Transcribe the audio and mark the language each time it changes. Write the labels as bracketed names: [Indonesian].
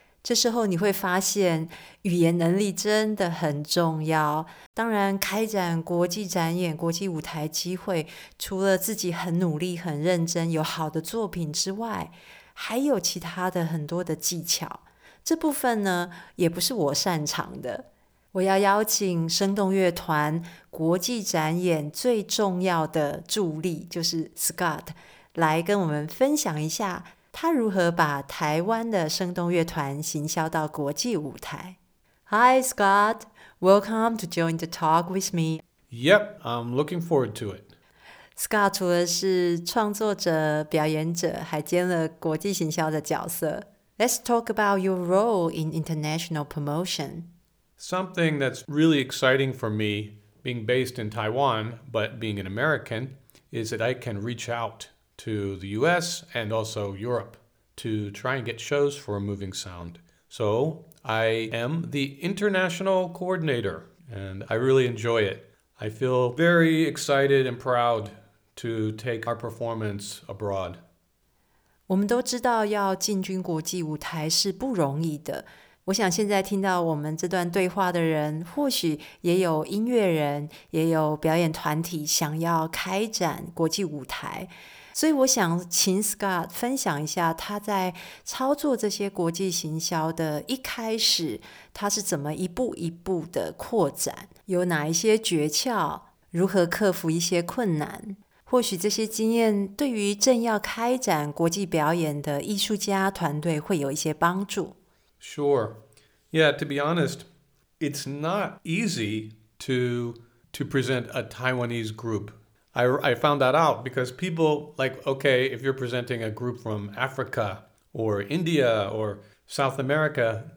[Chinese] 这时候你会发现语言能力真的很重要，当然开展国际展演、国际舞台机会，除了自己很努力很认真有好的作品之外，还有其他的很多的技巧，这部分呢也不是我擅长的。我要邀请声动乐团国际展演最重要的助力，就是 Scott 来跟我们分享一下他如何把台湾的声动乐团行销到国际舞台。 [English] Hi Scott, welcome to join the talk with me. Yep, I'm looking forward to it. [Chinese] Scott 除了是创作者、表演者，还兼了国际行销的角色。 [English] Let's talk about your role in international promotion. Something that's really exciting for me, being based in Taiwan, but being an American, is that I can reach outto the US and also Europe to try and get shows for a moving sound. So I am the international coordinator and I really enjoy it. I feel very excited and proud to take our performance abroad. [Chinese] 我们都知道要进军国际舞台是不容易的。我想现在听到我们这段对话的人，或许也有音乐人，也有表演团体想要开展国际舞台。所以我想请 Scott 分享一下他在操作这些国际行销的一开始，他是怎么一步一步的扩展，有哪一些诀窍，如何克服一些困难，或许这些经验对于正要开展国际表演的艺术家团队会有一些帮助。 [English] Sure. Yeah, to be honest, it's not easy to present a Taiwanese group. I found that out because people like, okay, if you're presenting a group from Africa or India or South America,